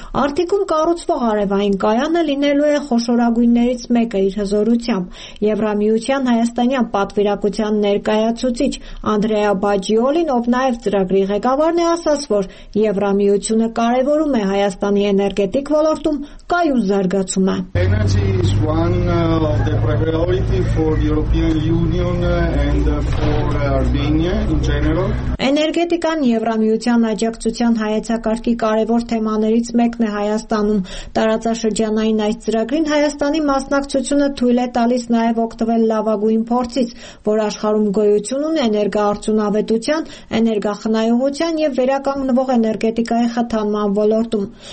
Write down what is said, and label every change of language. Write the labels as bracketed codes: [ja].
[hy] Արթիկում կառուցվող արևային կայանը լինելու է խոշորագույններից մեկը իր հզորությամբ։ Եվրամիության հայաստանյան պատվիրակության ներկայացուցիչ Անդրեա Բաջիոլին, ով նաև ծրագրի ղեկավարն է, ասաց, որ Եվրամիությունը կարևորում է Հայաստանի էներգետիկ ոլորտում կայուն [en] Energy is one of the priority for the European Union and for Armenia in general. [hy] Էներգետիկան Եվրամիության աջակցության հայեցակարգի կարևոր թեմաներից մեկն է Հայաստանում։ Տարածաշրջանային այս ծրագրին Հայաստանի մասնակցությունը թույլ է տալիս նաև օգտվել լավագույն փորձից, որ աշխարհում գոյություն ունի էներգաարդյունավետության, էներգախնայողության և վերականգնվող էներգետիկայի խթանման ոլորտում։